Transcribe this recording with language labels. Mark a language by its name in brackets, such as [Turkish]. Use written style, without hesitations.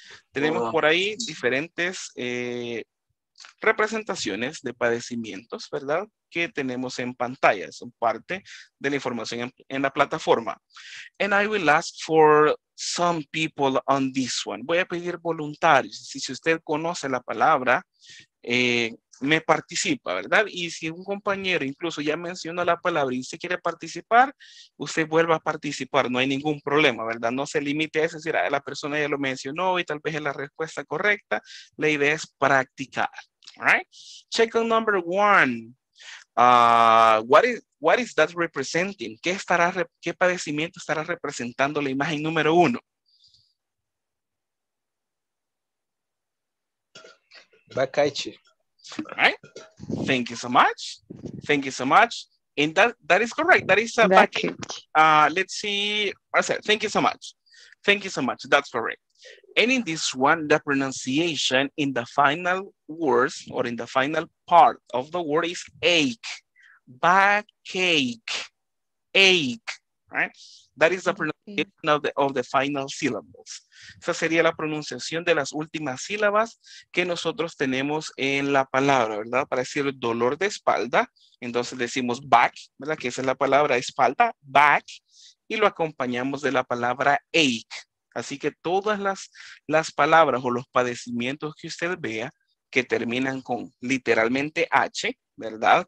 [Spanish] Tenemos por ahí diferentes representaciones de padecimientos, ¿verdad? Que tenemos en pantalla, son parte de la información en la plataforma. [English] And I will ask for some people on this one. [Spanish] Voy a pedir voluntarios. Si usted conoce la palabra, me participa, ¿verdad? Y si un compañero incluso ya mencionó la palabra y usted quiere participar, usted vuelva a participar, no hay ningún problema, ¿verdad? No se limite a decir, la persona ya lo mencionó y tal vez es la respuesta correcta. La idea es practicar. [English] All right. Check on number one. What is that representing? [Spanish] ¿Qué padecimiento estará representando la imagen número uno? [English] Bacache. All right. Thank you so much. Thank you so much. And that is correct. That is a backache. Let's see. Marcel, thank you so much. Thank you so much. That's correct. And in this one, the pronunciation in the final words or in the final part of the word is ache, backache, ache, right? That is the pronunciation of the final syllables. [Spanish] Esa sería la pronunciación de las últimas sílabas que nosotros tenemos en la palabra, ¿verdad? Para decir dolor de espalda, entonces decimos back, ¿verdad? Que esa es la palabra espalda, back, y lo acompañamos de la palabra ache. Así que todas las palabras o los padecimientos que usted vea que terminan con literalmente H, ¿verdad?